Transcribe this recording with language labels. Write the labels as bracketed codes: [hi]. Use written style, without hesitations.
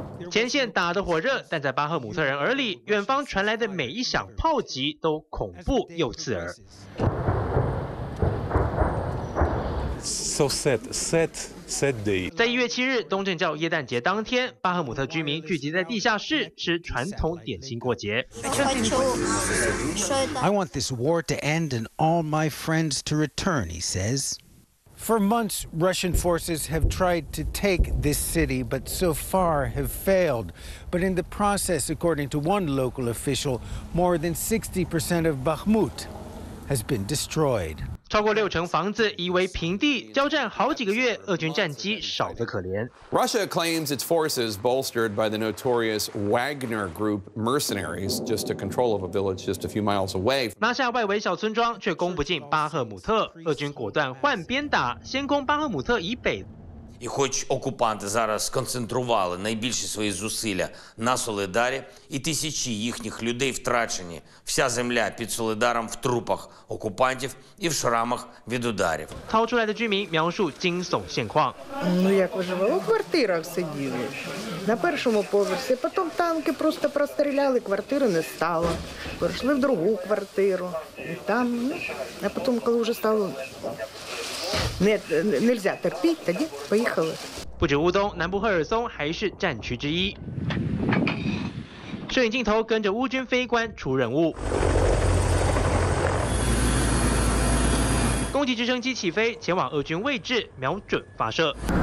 [zh] 前线打得火热，但在巴赫姆特人耳里，远方传来的每一响炮击都恐怖又刺耳。 [en] So sad, sad, sad day. [zh] 在1月7日东正教耶诞节当天，巴赫姆特居民聚集在地下室吃传统点心过节。 [en] I want this war to end and all my friends to return, he says. For months, Russian forces have tried to take this city, but so far have failed. But in the process, according to one local official, more than 60% of Bakhmut has been destroyed. [zh] 超过60%房子夷为平地，交战好几个月，俄军战机少得可怜。 [en] Russia claims its forces, bolstered by the notorious Wagner Group mercenaries, just took control of a village just a few miles away. [zh] 拿下外围小村庄，却攻不进巴赫姆特。俄军果断换边打，先攻巴赫姆特以北。 [uk] І хоч окупанти зараз сконцентрували найбільші свої зусилля на Солидарі, і тисячі їхніх людей втрачені, вся земля під Солидаром в трупах окупантів і в шрамах від ударів. [zh] 逃出来的居民描述惊悚现况。 [uk] Ну як ви живали? У квартирах сиділи. На першому поверсі, потім танки просто простріляли, квартири не стало. Перейшли в другу квартиру, і там, а потім, коли вже стало... [zh] 不止乌东，南部赫尔松还是战区之一。摄影镜头跟着乌军飞官出任务，攻击直升机起飞，前往俄军位置，瞄准发射。